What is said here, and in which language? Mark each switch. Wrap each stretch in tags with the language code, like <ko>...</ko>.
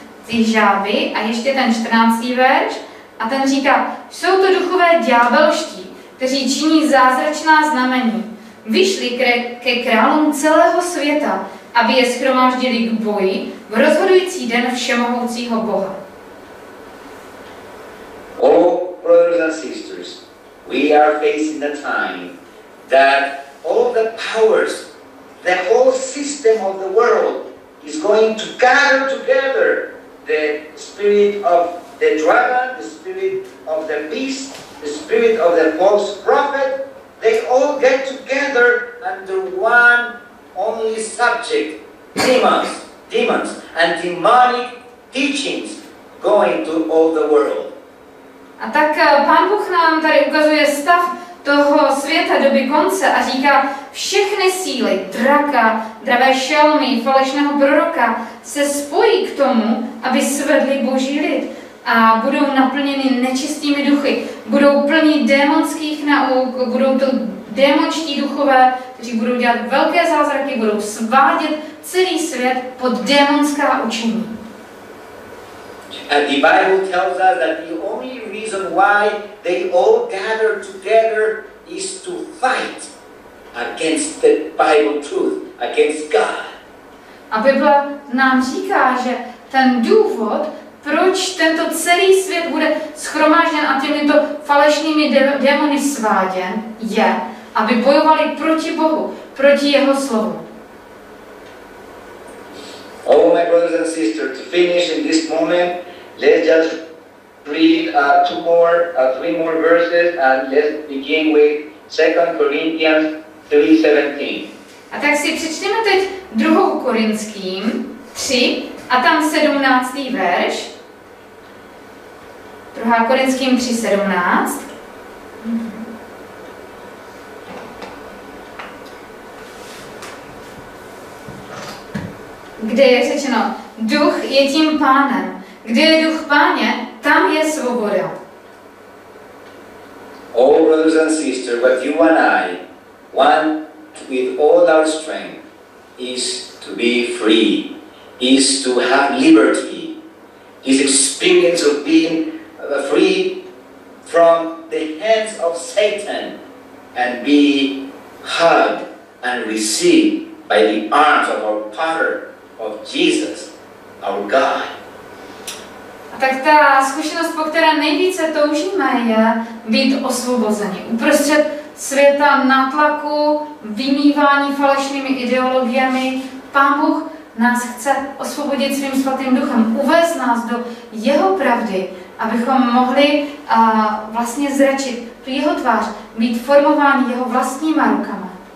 <cs>Ty žáby a ještě ten 14. verš a ten říká, jsou to duchové ďábelští, kteří činí zázračná znamení. Vyšli ke králům celého světa, aby je shromáždili k boji v rozhodující den všemohoucího Boha.</cs> <en>Oh, brothers and sisters, we are facing the time that all the powers, the whole system of the world is going to gather together. The spirit of the dragon, the spirit of the beast, the spirit of the false prophet, they all get together under one only subject, demons, demons, and demonic teachings going to all the world.</en> <cs>A tak Pán Bůh nám tady ukazuje stav toho světa doby konce a říká, všechny síly draka, dravé šelmy, falešného proroka se spojí k tomu, aby svedli Boží lid a budou naplněni nečistými duchy, budou plní démonských nauk, budou to démonští duchové, kteří budou dělat velké zázraky, budou svádět celý svět pod démonská učení.</cs> <en>And the Bible tells us that the only reason reason why they all gather together is to fight against the Bible truth, against God.</en> <cs>A Bible nám říká, že ten důvod, proč tento celý svět bude shromážděn a těmito falešnými démony sváděn, je, aby bojovali proti Bohu, proti jeho slovu.</cs> <en>Oh, my brothers and sisters, to finish in this moment, let's just read three more verses and let's begin with 2 Corinthians 3:17.</en> <cs>A tak si přečteme teď 2. Korinským 3 a tam 17. verš. 2. Korinským 3:17. Kde je řečeno, duch je tím pánem. Kde je duch páně, tam je svoboda.</cs> <en>All brothers and sisters, but you and I, one with all our strength, is to be free, is to have liberty, is experience of being free from the hands of Satan and be hugged and received by the arms of our Father, of Jesus, our God.</en> <cs>A tak ta zkušenost, po které nejvíce toužíme, je být osvobozeni uprostřed světa nátlaku, vymývání falešnými ideologiemi. Pán Bůh nás chce osvobodit svým svatým duchem, uvést nás do jeho pravdy, abychom mohli vlastně zračit tu jeho tvář, být formováni jeho vlastníma rukama.</cs>